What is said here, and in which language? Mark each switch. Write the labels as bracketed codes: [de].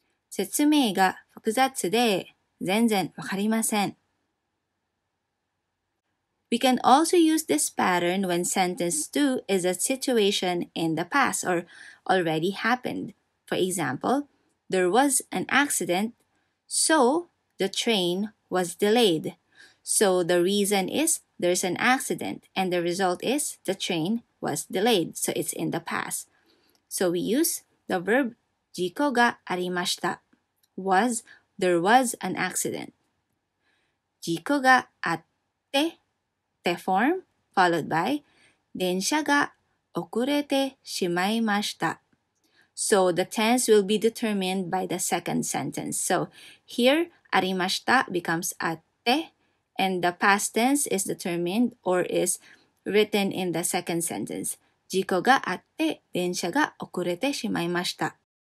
[ja] 説明が複雑で全然わかりません. [en] We can also use this pattern when sentence 2 is a situation in the past or already happened. For example, there was an accident, so the train was delayed. So the reason is there's an accident and the result is the train was delayed. So it's in the past. So we use the verb [ja] 事故がありました. [en] Was, there was an accident. [ja] 事故があって. [en] The form followed by [ja] 電車が遅れてしまいました. [en] So the tense will be determined by the second sentence. So here ありました becomes あって and the past tense is determined or is written in the second sentence. [ja] 事故があって電車が遅れてしまいました.